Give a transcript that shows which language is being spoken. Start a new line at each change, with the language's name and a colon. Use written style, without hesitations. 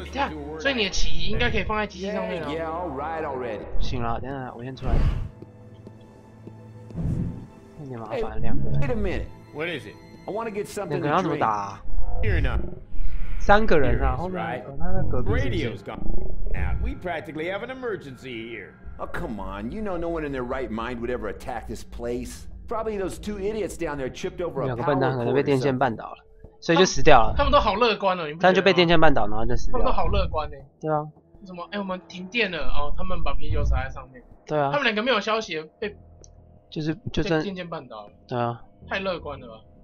Chinese: 对啊，所以你的起疑应该可以放在机器上面了。行了，等等，我先出来。有点麻烦，两个人。
English: Wait a minute, what is it? I want to get something.
Chinese: 两个人要怎么打、啊？三个人啊，后面他在隔壁。
English: Radio's gone. Now we practically have an emergency here. Oh come on, you know no one in their right mind would ever attack this place. Probably those two idiots down there chipped over a power cord.
Chinese: 两个笨蛋可能被电线绊倒了。所以就死掉了。他们都好乐观哦，但就被电线绊倒，然后就死掉了。他们都好乐观呢、欸。对啊。什么？哎、欸，我们停电了哦，他们把啤酒洒在上面。对啊。他们两个没有消息，被就算电线绊倒了。对啊。太乐观了吧。